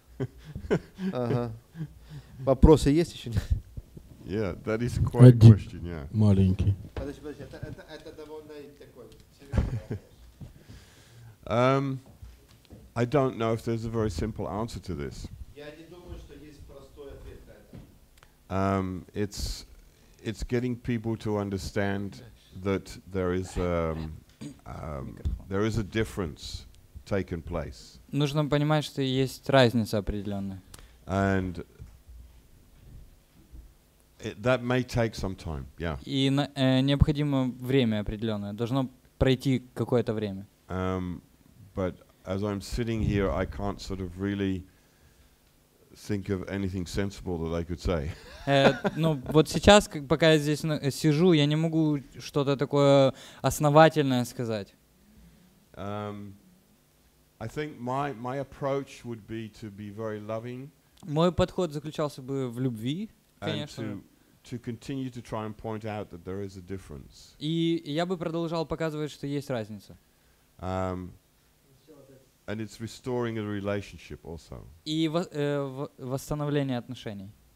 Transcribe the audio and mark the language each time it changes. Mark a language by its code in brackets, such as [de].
[ru] Uh-huh. Вопросы есть еще? [en] Yeah, that is quite a question, yeah. [ru] Маленький. Это довольно такой. [en] I don't know if there's a very simple answer to this. [ru] Я не думаю, что есть простой ответ на это. [en] It's getting people to understand that there is a difference taken place. [ru] Нужно понимать, что есть разница определенная. [en] And that may take some time. Yeah. [ru] И необходимо время определенное. Должно пройти какое-то время. [en] But as I'm sitting here, I can't sort of really think of anything sensible that I could say. [ru] Ну вот сейчас, пока я здесь сижу, я не могу что-то такое основательное сказать. [en] I think my approach would be to be very loving. [ru] Мой подход заключался бы в любви, конечно. [en] To continue to try and point out that there is a difference. [ru] И я бы продолжал показывать, что есть разница. [en] And it's restoring a relationship also. [ru] И восстановление отношений.